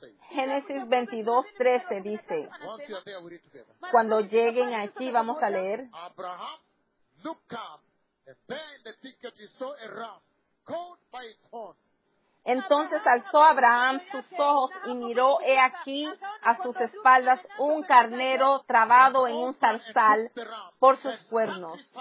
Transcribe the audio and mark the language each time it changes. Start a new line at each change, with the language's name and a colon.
Spanish: Génesis 22:13 dice, cuando lleguen allí, vamos a leer.
English: Abraham looked up, and there in the thicket he saw a ram caught by its horn.
Spanish: Entonces alzó Abraham sus ojos y miró, he aquí, a sus espaldas, un carnero trabado en un zarzal por sus cuernos.